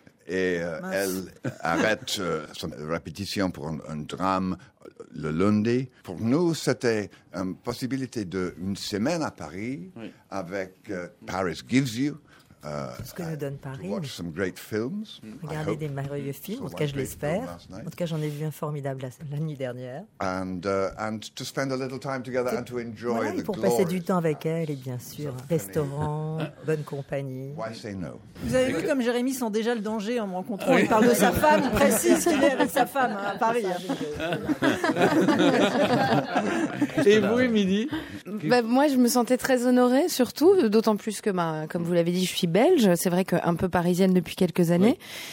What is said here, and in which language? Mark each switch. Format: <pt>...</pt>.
<fr>Et elle arrête son répétition pour un drame le lundi. Pour nous, c'était une possibilité d'une semaine à Paris avec Paris Gives You. Tout ce que nous donne Paris.</fr> <en>Watch some great films.</en> <fr>Regarder des merveilleux films, en tout cas, je l'espère. En tout cas, j'en ai vu un formidable la nuit dernière.</fr> <en>And to spend a little time together and to enjoy the</en> <fr>pour passer du temps avec elle, et bien sûr, restaurant, bonne compagnie.</fr> <en>Why say no?</en> <fr>Vous avez vu comme Jérémy sent déjà le danger en me rencontrant. Il parle de sa femme, précise qu'il est avec sa femme à Paris. Et vous, Émilie? Moi, je me sentais très honorée, surtout, d'autant plus que, comme vous l'avez dit, je suis belge, c'est vrai qu'un peu parisienne depuis quelques années. Oui.</fr>